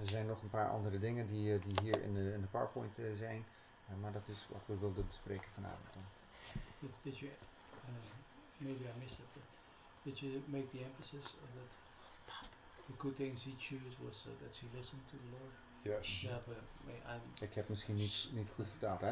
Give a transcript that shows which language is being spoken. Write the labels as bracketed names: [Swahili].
[Dutch] Er zijn nog een paar andere dingen die hier in de PowerPoint zijn, maar dat is wat we wilden bespreken vanavond. [English] Did you I missed it. Did you make the emphasis of that the good things he chose was that he listened to the Lord? Yes. [Dutch] Ik heb misschien niet goed vertaald, hè?